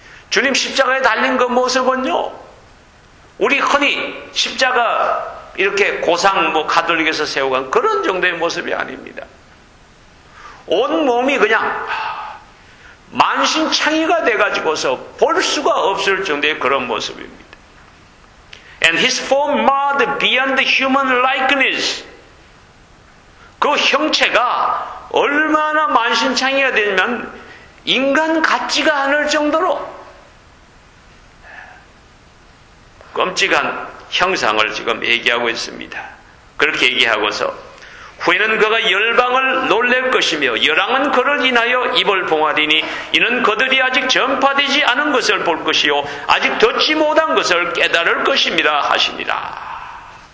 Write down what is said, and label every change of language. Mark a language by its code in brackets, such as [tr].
[ko] 주님 십자가에 달린 그 모습은요. 우리 흔히 십자가 이렇게 고상 뭐 가톨릭에서 세워간 그런 정도의 모습이 아닙니다. 온 몸이 그냥 만신창이가 돼가지고서 볼 수가 없을 정도의 그런 모습입니다. [en] And his form marred beyond the human likeness. [ko] 그 형체가 얼마나 만신창이가 되냐면 인간 같지가 않을 정도로 끔찍한 형상을 지금 얘기하고 있습니다. 그렇게 얘기하고서 후에는 그가 열방을 놀랠 것이며 열왕은 그를 인하여 입을 봉하리니 이는 그들이 아직 전파되지 않은 것을 볼 것이요 아직 듣지 못한 것을 깨달을 것입니다 하시니라.